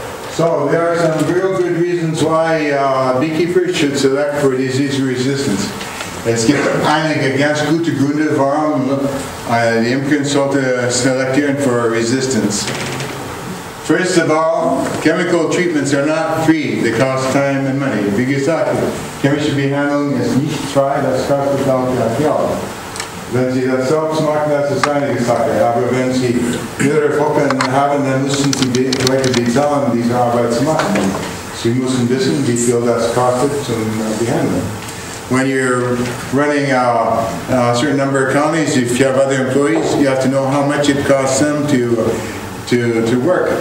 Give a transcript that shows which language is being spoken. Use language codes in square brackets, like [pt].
[en] So there are some real good reasons why beekeepers should select for disease resistance. [de] Es gibt einige ganz gute Gründe, warum die Imker sollte selektieren [en] for resistance. First of all, chemical treatments are not free. They cost time and money. [de] Wie gesagt, chemische Behandlung ist nicht frei, das kostet auch viel Geld. Wenn Sie das selbst machen, das ist eine Sache. Aber wenn Sie mehrere Folgen haben, dann müssen Sie die Leute bezahlen, diese Arbeit zu machen. Und Sie müssen wissen, wie viel das kostet zum Behandeln. [en] When you're running a certain number of colonies, if you have other employees, you have to know how much it costs them to work.